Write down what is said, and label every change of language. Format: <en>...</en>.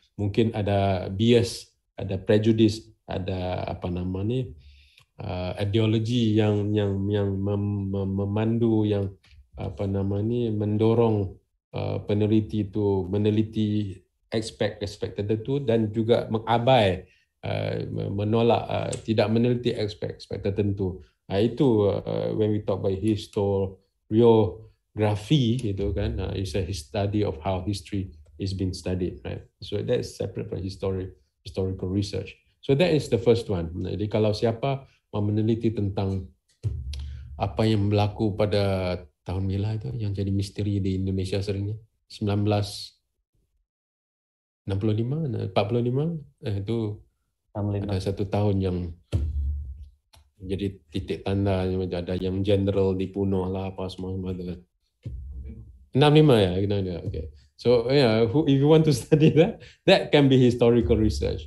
<ms>Mungkin ada bias, ada prejudice, ada apa nama ni ideologi yang memandu, yang apa nama ni mendorong peneliti itu meneliti aspek-aspek tertentu dan juga mengabai, menolak, tidak meneliti aspek-aspek tertentu. Nah, itu</ms> <en>when we talk about historiography,</en> <ms>itu kan,</ms> <en>it's a study of how history is being studied, right? So that's separate from historical research. So that is the first one.</en> <ms>Jadi kalau siapa meneliti tentang apa yang berlaku pada tahun bila itu, yang jadi misteri di Indonesia seringnya, 1965, 45, itu ada satu tahun yang jadi titik tanda, ada yang general dipunuh lah apa semua-semua itu. 65 ya, kita okay.</ms> <en>So yeah, who, if you want to study that, that can be historical research.</en>